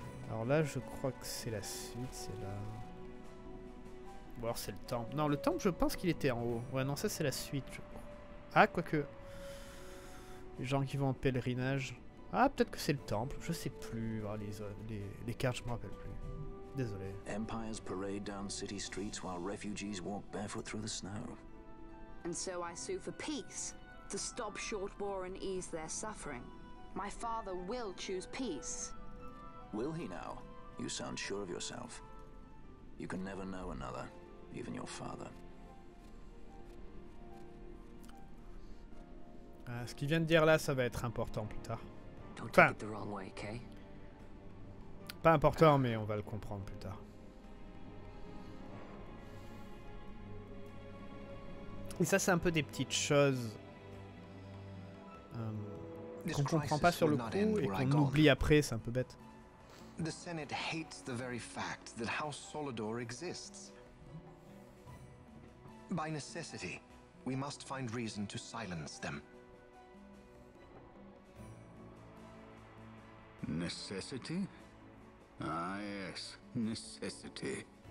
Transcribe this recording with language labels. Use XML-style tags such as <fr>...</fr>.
<fr>Alors là, je crois que c'est la suite, c'est là. Ou alors c'est le temple. Non, le temple, je pense qu'il était en haut. Ouais, non, ça c'est la suite, je crois. Ah, quoique. Les gens qui vont en pèlerinage. Ah, peut-être que c'est le temple, je sais plus. Ah, les cartes, je me rappelle plus. Désolé.</fr> <en>Empires parade down city streets while refugees walk barefoot through the snow. And so I sue for peace, to stop short war and ease their suffering. My father will choose peace. Will he now? You sound sure of yourself. You can never know another, even your father.</en> <fr>Ce qu'il vient de dire là, ça va être important plus tard. Enfin, pas important, mais on va le comprendre plus tard. Et ça, c'est un peu des petites choses qu'on comprend pas sur le coup et qu'on oublie après, c'est un peu bête.</fr> <en>The Senate hates the very fact that House Solidor exists. By necessity, we must find reason to silence them. Necessity? Ah, yes, necessity.</en>